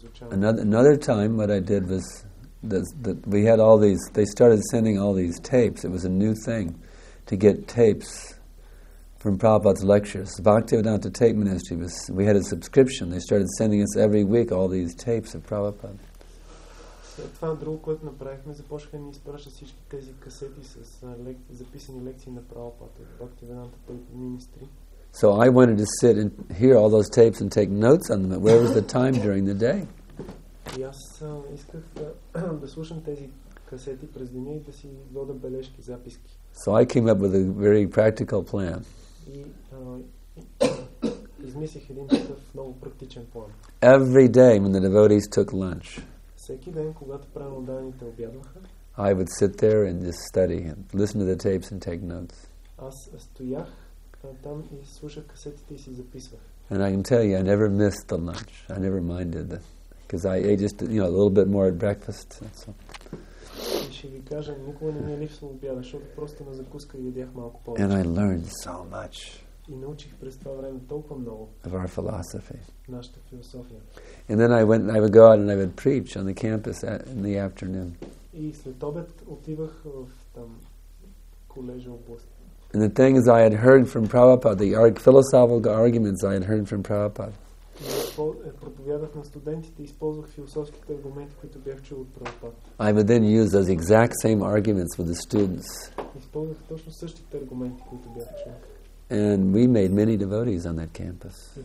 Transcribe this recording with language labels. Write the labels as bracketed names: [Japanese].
[English] Another time, what I did was that we had all these. They started sending all these tapes. It was a new thing to get tapes from Prabhupada's lectures. Bhaktivedanta Tape Ministry was. We had a subscription. They started sending us every week all these tapes of Prabhupada. [Bulgarian] След това друго, което направихме, започнаха да ни изпращат всички тези касети с записани лекции на Прабхупада, Бхактивиданта Тейп Министри. [English] So I wanted to sit and hear all those tapes and take notes on them. Where was the time during the day? [Bulgarian] И аз исках да слушам тези касети през деня и да си водя бележки, записки. [English] So I came up with a very practical plan. [Bulgarian] И измислих един такъв много практичен план. [English] Every day when the devotees took lunch, [Bulgarian] всеки ден, когато праводаните обядваха, [English] I would sit there and just study and listen to the tapes and take notes. [Bulgarian] Аз стоях там и слушах касетите и си записвах. [English] And I can tell you, I never missed the lunch. I never minded it. Because I ate just, you know, a little bit more at breakfast. So. [Bulgarian] И ще ви кажа, никога не ми е липсвал обяда, защото просто на закуска ядях малко повече. [English] And I learned so much. [Bulgarian] И научих през това време толкова много. [English] Of our philosophy. [Bulgarian] Нашата философия. [English] And then I would go out and I would preach on the campus in the afternoon. [Bulgarian] И след обед отивах в там колежа област. [English] And the things I had heard from Prabhupada, the philosophical arguments I had heard from Prabhupada. [Bulgarian] Проповядах на студентите и използвах философските аргументи, които бях чул от Прабхупада. [English] I would then use those exact same arguments with the students. [Bulgarian] Използвах точно същите аргументи, които бях чул. [English] And we made many devotees on that campus.